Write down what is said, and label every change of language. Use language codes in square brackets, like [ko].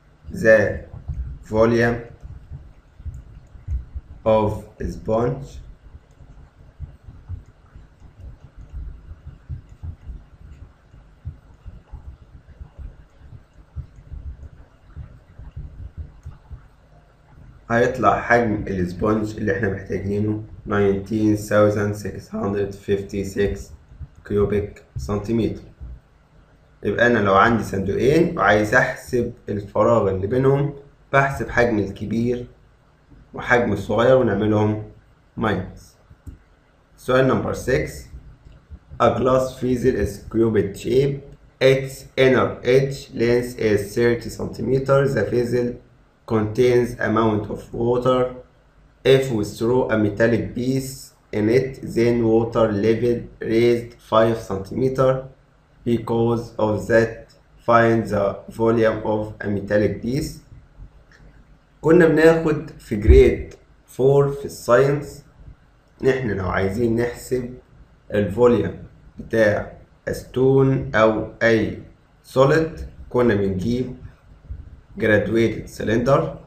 [en] The volume of sponge [ar] هيطلع حجم الاسبونج اللي احنا محتاجينه 19,656 cubic centimeter. يبقى انا لو عندي صندوقين وعايز احسب الفراغ اللي بينهم بحسب حجم الكبير وحجم الصغير ونعملهم ماينس. سؤال نمبر 6، [en] a glass vessel is cubic shape. Its inner edge length is 30 centimeters. The vessel contains amount of water. if we throw a metallic piece in it, then water level raised 5 cm because of that, find the volume of a metallic piece. [ar] كنا بناخد في grade 4 في science. نحن لو عايزين نحسب الفوليوم بتاع ستون او اي سوليد كنا بنجيب [en] graduated cylinder